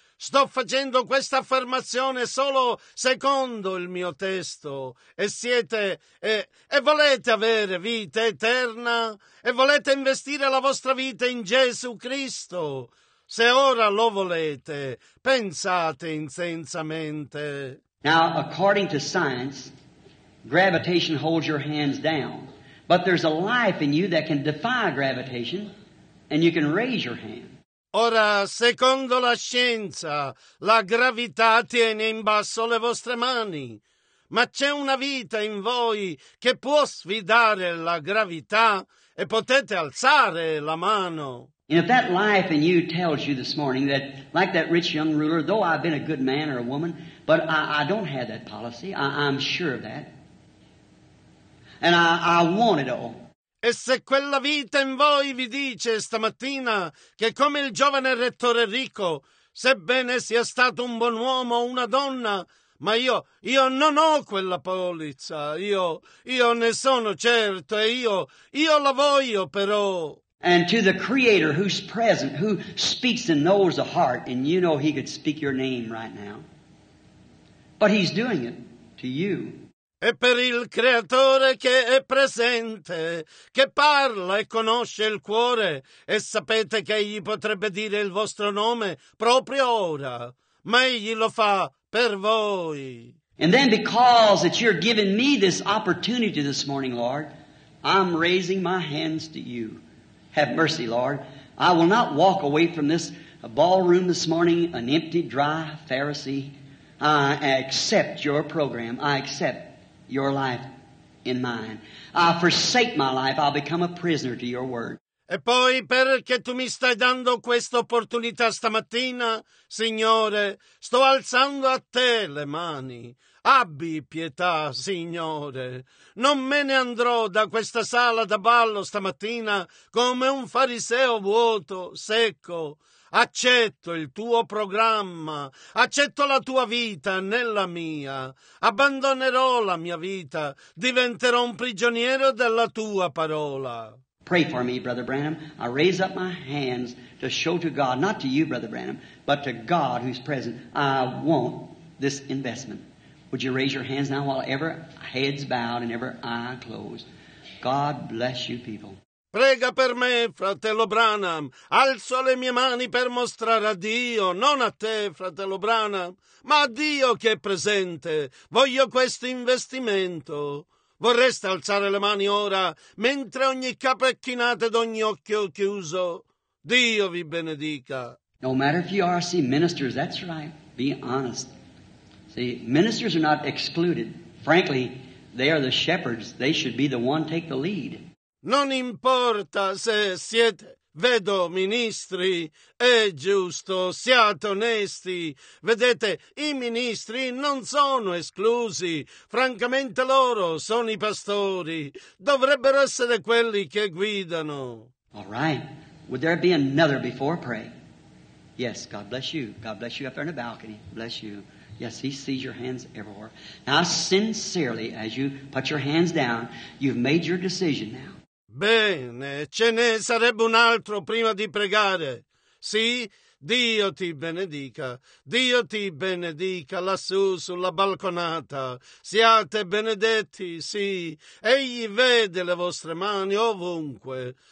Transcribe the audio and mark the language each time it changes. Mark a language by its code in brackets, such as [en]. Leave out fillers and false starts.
[it] Sto facendo questa affermazione solo secondo il mio testo. E siete e volete avere vita eterna? E volete investire la vostra vita in Gesù Cristo? Se ora lo volete, pensate intensamente. [en] Now, according to science, gravitation holds your hands down. But there's a life in you that can defy gravitation, and you can raise your hand. [it] Ora, secondo la scienza, la gravità tiene in basso le vostre mani, ma c'è una vita in voi che può sfidare la gravità e potete alzare la mano. [en] And if that life in you tells you this morning that, like that rich young ruler, though I've been a good man or a woman, but I don't have that policy, I'm sure of that, and I want it all. [it] E se quella vita in voi vi dice stamattina che come il giovane rettore ricco, sebbene sia stato un buon uomo o una donna, ma io non ho quella polizza, io ne sono certo e io la voglio però. [en] And to the Creator who's present, who speaks and knows the heart, and you know He could speak your name right now. But he's doing it to you. [it] E per il creatore che è presente, che parla e conosce il cuore, e sapete che egli potrebbe dire il vostro nome proprio ora, ma egli lo fa per voi. [en] And then because that you're giving me this opportunity this morning, Lord, I'm raising my hands to you. Have mercy, Lord. I will not walk away from this ballroom this morning, an empty, dry Pharisee. I accept your program. I accept your life in mine. I forsake my life. I'll become a prisoner to your word. [it] E poi perché tu mi stai dando questa opportunità stamattina, Signore, sto alzando a te le mani. Abbi pietà, Signore. Non me ne andrò da questa sala da ballo stamattina come un fariseo vuoto, secco. Accetto il tuo programma, accetto la tua vita nella mia. Abbandonerò la mia vita, diventerò un prigioniero della tua parola. [en] Pray for me, Brother Branham. I raise up my hands to show to God, not to you, Brother Branham, but to God who's present, I want this investment. Would you raise your hands now while every head's bowed and every eye closed? God bless you, people. [it] Prega per me, fratello Branham. Alzo le mie mani per mostrare a Dio, non a te, fratello Branham, ma a Dio che è presente. Voglio questo investimento. Vorreste alzare le mani ora, mentre ogni capo è chinato ed ogni occhio chiuso? Dio vi benedica. [en] No matter if you are, see, ministers, that's right. Be honest. See, ministers are not excluded. Frankly, they are the shepherds. They should be the one take the lead. [it] Non importa se siete, vedo, ministri, è giusto, siate onesti. Vedete, i ministri non sono esclusi. Francamente loro sono i pastori. Dovrebbero essere quelli che guidano. [en] All right. Would there be another before pray? Yes, God bless you. God bless you up there in the balcony. Bless you. Yes, he sees your hands everywhere. Now, sincerely, as you put your hands down, you've made your decision now. [it] Bene, ce ne sarebbe un altro prima di pregare. Sì, Dio ti benedica. Dio ti benedica lassù sulla balconata. Siate benedetti, sì. Egli vede le vostre mani ovunque.